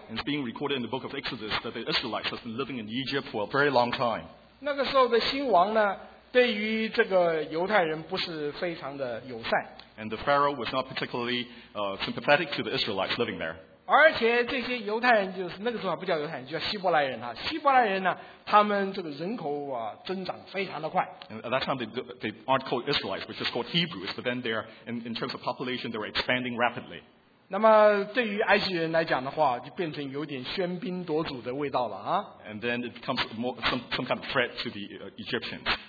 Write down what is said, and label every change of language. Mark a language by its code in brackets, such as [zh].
[en] It's being recorded in the book of Exodus that the Israelites have been living in Egypt for a very long time. [zh] 那个时候的新王呢对于这个犹太人不是非常的友善。 [en] And the Pharaoh was not particularly sympathetic to the Israelites living there. [zh] 而且这些犹太人就是那个时候还不叫犹太人，就叫希伯来人啊。希伯来人呢，他们这个人口啊增长非常的快。 [en] And at that time they aren't called Israelites, which is called Hebrews. But then they're in terms of population, they were expanding rapidly. [zh] 那么对于埃及人来讲的话，就变成有点喧宾夺主的味道了啊。 [en] And then it becomes some kind of threat to the Egyptians.